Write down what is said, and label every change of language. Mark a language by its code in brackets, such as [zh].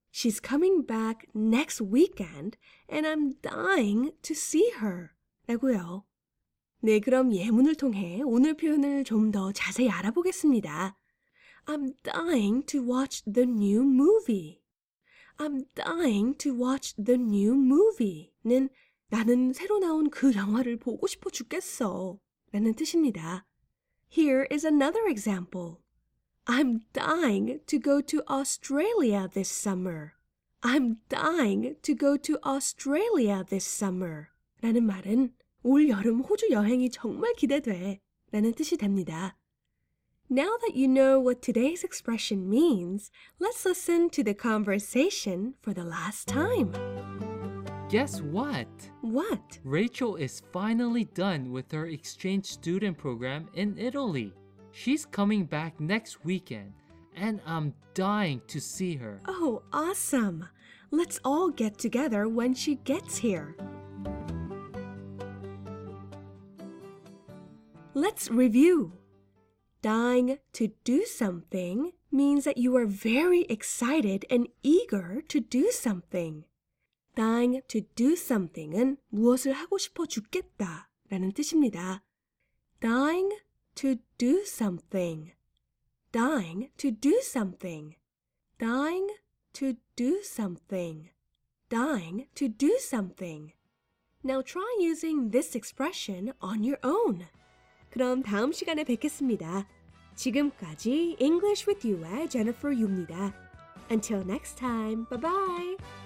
[en] She's coming back next weekend and I'm dying to see her. [ko] 라고요. 네, 그럼 예문을 통해 오늘 표현을 좀 더 자세히 알아보겠습니다. [en] I'm dying to watch the new movie. I'm dying to watch the new movie는 [ko] 나는 새로 나온 그 영화를 보고 싶어 죽겠어 라는 뜻입니다. [en] Here is another example. I'm dying to go to Australia this summer. I'm dying to go to Australia this summer. [ko] 라는 말은 올 여름 호주 여행이 정말 기대돼 라는 뜻이 됩니다. [en] Now that you know what today's expression means, let's listen to the conversation for the last time. Guess what? What? Rachel is finally done with her exchange student program in Italy. She's coming back next weekend, and I'm dying to see her. Oh, awesome! Let's all get together when she gets here. Let's review. Dying to do something means that you are very excited and eager to do something. Dying to do something [ko] 은 무엇을 하고 싶어 죽겠다 라는 뜻입니다. [en] Dying to do something. Dying to do something. Dying to do something. Dying to do something. Now try using this expression on your own. [ko] 그럼 다음 시간에 뵙겠습니다. 지금까지 English with You의 Jennifer Yu입니다. [en] Until next time, bye-bye!